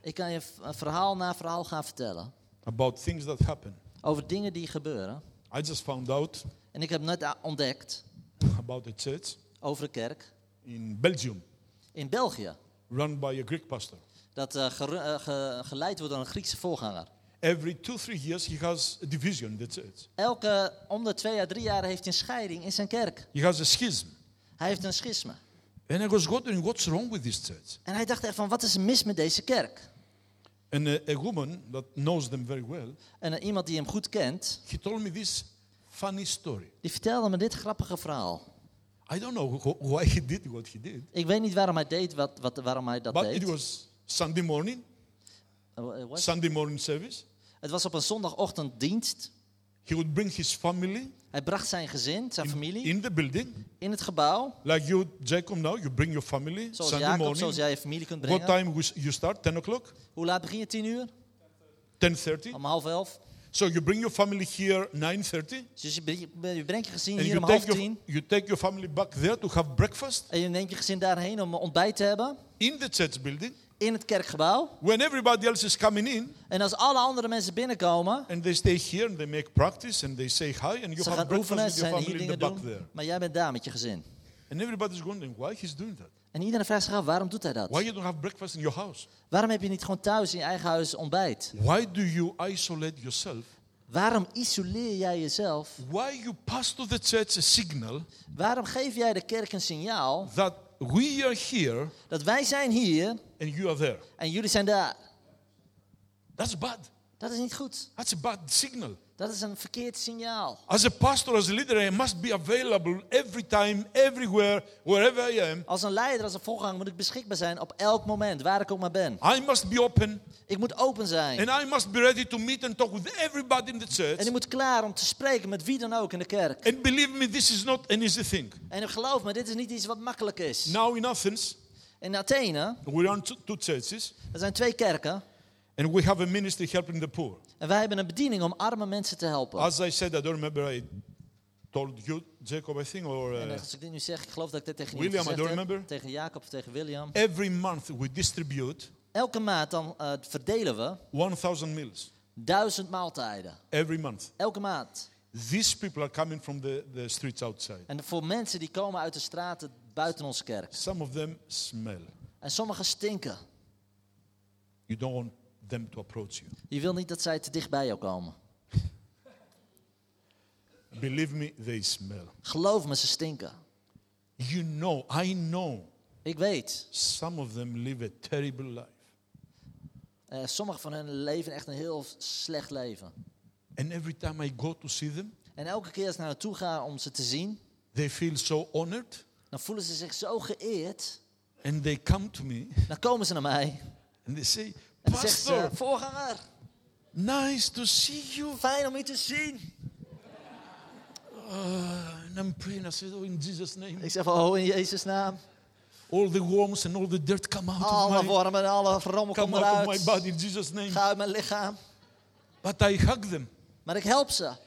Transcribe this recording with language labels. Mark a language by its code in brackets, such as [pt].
[nl] Ik kan je verhaal na verhaal gaan vertellen. [en] About things that happen. [nl] Over dingen die gebeuren. [en] I just found out. [nl] En ik heb net ontdekt. [en] About a church. [nl] Over een kerk. [en] In Belgium. [nl] In België. [en] Run by a Greek pastor. [nl] Dat geleid wordt door een Griekse voorganger. [en] Every 2-3 years he has a division in the church. [nl] Elke om de 2-3 jaar heeft hij een scheiding in zijn kerk. [en] He has a schism. [nl] Hij heeft een schisme. [en] And I was wondering what's wrong with this church. [nl] En hij dacht echt van wat is er mis met deze kerk? [en] And a woman that knows them very well. [nl] En iemand die hem goed kent. [en] He told me this funny story. [nl] Die vertelde me dit grappige verhaal. [en] I don't know why he did what he did. [nl] Ik weet niet waarom hij deed waarom hij dat [en] But [nl] deed. [en] But it was Sunday morning. Sunday morning service. [nl] Het was op een zondagochtend dienst. [en] He would bring his family. [nl] Hij bracht zijn gezin, zijn familie. [en] In the building. [nl] In het gebouw. [en] Like you, Jacob, now you bring your family. [nl] Zoals [en] Sunday Jacob, morning. [nl] Zoals jij je familie kunt brengen. [en] What time you start? 10 o'clock. [nl] Hoe laat begin je 10 uur? [en] 10:30. [nl] Om 10:30. [en] So you bring your family here 9:30. [nl] Dus je brengt je gezin hier om 9:30. [en] You take your family back there to have breakfast. [nl] En je neemt je gezin daarheen om ontbijt te hebben. [en] In the church building. [nl] In het kerkgebouw. [en] When everybody else is coming in. [nl] En als alle andere mensen binnenkomen. [en] And they stay here and they make practice and they say hi and you [nl] ze [en] have breakfast [nl] oefenen, [en] with your family in the back [nl] doen, [en] there. [nl] Maar jij bent daar met je gezin. [en] And everybody's wondering why he's doing that. [nl] En iedereen vraagt zich af waarom doet hij dat? [en] Why you don't have breakfast in your house? [nl] Waarom heb je niet gewoon thuis in je eigen huis ontbijt? [en] Why do you isolate yourself? [nl] Waarom isoleer jij jezelf? [en] Why you pass to the church a signal? [nl] Waarom geef jij de kerk een signaal? [en] That we are here. [nl] Dat wij zijn hier. [en] And you are there. [nl] En jullie zijn daar. [en] That's bad. [nl] Dat is niet goed. [en] That's a bad signal. [nl] Dat is een verkeerd signaal. [en] As a pastor, as a leader, I must be available every time, everywhere, wherever I am. [nl] Als een leider, als een voorganger, moet ik beschikbaar zijn op elk moment, waar ik ook maar ben. [en] I must be open. [nl] Ik moet open zijn. [en] And I must be ready to meet and talk with everybody in the church. [nl] En ik moet klaar om te spreken met wie dan ook in de kerk. [en] And believe me, this is not an easy thing. [nl] En geloof me, dit is niet iets wat makkelijk is. [en] Now in Athens. [nl] In Athene. [en] We run two churches. [nl] Er zijn twee kerken. [en] And we have a ministry helping the poor. [nl] En wij hebben een bediening om arme mensen te helpen. [en] As I said, I don't remember I told you, Jacob, I think, or. [nl] En als ik dit nu zeg, ik geloof dat ik dit tegen William, gezegd [en] I don't remember. [nl] Heb, tegen Jacob of tegen William. [en] Every month we distribute. [nl] Elke maand dan verdelen we. [en] 1000 meals. [nl] 1000 maaltijden. [en] Every month. [nl] Elke maand. [en] These people are coming from the streets outside. [nl] En voor mensen die komen uit de straten buiten onze kerk. [en] Some of them smell. [nl] En sommigen stinken. [en] You don't want them to approach you. [nl] Je wil niet dat zij te dicht bij jou komen. [en] Believe me, they smell. [nl] Geloof me, ze stinken. [en] You know, I know. [nl] Ik weet. [en] Some of them live a terrible life. [nl] Sommigen van hen leven echt een heel slecht leven. [en] And every time I go to see them, [nl] en elke keer als ik naar naartoe ga om ze te zien, [en] they feel so honored. [nl] Dan voelen ze zich zo geëerd. [en] And they come to me. [nl] Dan komen ze naar mij. [en] And they say, [nl] en zeggen ze, voorganger. [en] Nice to see you. [nl] Fijn om je te zien. [en] And I'm praying. I said, oh, in Jesus' name. [nl] Ik zeg, oh, in Jezus' naam. [en] All the worms and all the dirt come out of my. [nl] Alle wormen en alle rommel [en] come [nl] komen [en] out of my body in Jesus' name. [nl] Ga uit mijn lichaam. [en] But I hug them. [nl] Maar ik help ze.